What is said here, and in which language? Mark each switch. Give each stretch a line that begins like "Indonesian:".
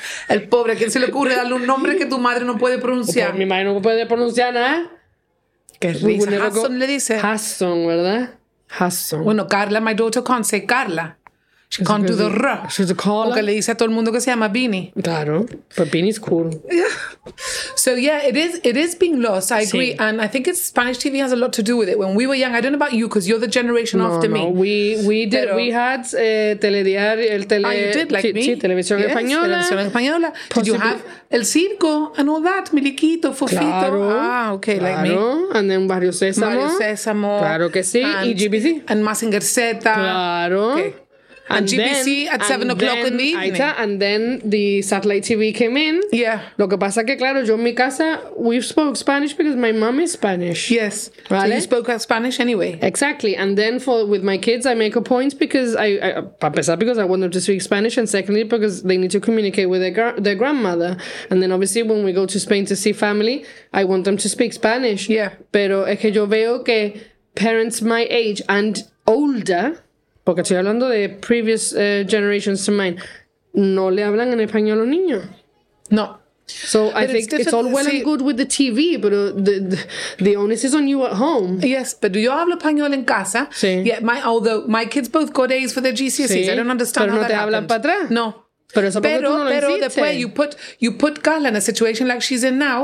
Spanish: El pobre, ¿a quién se le ocurre darle un nombre que tu madre no puede pronunciar? Mi madre no puede pronunciar nada. Qué risa. Hasson le dice. Hasson, ¿verdad? Hasson. Bueno,
English: Carla, my daughter can't say Carla. She can't do the R. She's a caller.
Spanish: Porque le dice a todo el mundo que se llama Beanie. Claro,
English: but Beanie's cool. So yeah, it is being lost. I agree, and I think it's Spanish TV has a lot to do with it. When we were young, I don't know about you, because you're the generation after me. No, we did.
Spanish: Pero,
English: we had telediario,
Spanish: el tele.
English: Ah, you did like me.
Spanish: Televisión española. Televisión española.
English: Did you have
Spanish: el circo
English: and all that, Miliquito, Fofito?
Spanish: Claro.
English: Ah, okay,
Spanish: claro.
English: Like me. And then Barrio Sésamo.
Spanish: Barrio Sésamo. Claro que sí.
English: And GBC. And Mazinger Z.
Spanish: Claro.
English: Okay. And GBC then, at 7 o'clock then, in the evening. Aita, and then the satellite TV came in. Yeah.
Spanish: Lo que pasa que, claro, yo en mi casa,
English: we spoke Spanish because my mom is Spanish. Yes.
Spanish: ¿Vale?
English: So you spoke Spanish anyway. Exactly. And then with my kids, I make a point because I want them to speak Spanish. And secondly, because they need to communicate with their grandmother. And then obviously when we go to Spain to see family, I want them to speak Spanish. Yeah.
Spanish: Pero es que yo veo que
English: parents my age and older...
Spanish: Porque estoy hablando de
English: previous generations to mine.
Spanish: No le hablan en español a los niños. No.
English: So but I think it's all well and good with the TV, but the onus is on you at home. Yes, but
Spanish: yo hablo español en casa. Sí.
English: Yeah, although my kids both got A's for their GCSEs.
Spanish: Sí.
English: I don't understand
Spanish: pero
English: how
Spanish: te hablan
English: happened.
Spanish: Para atrás. No. Pero después
English: you put Carla in a situation like she's in now.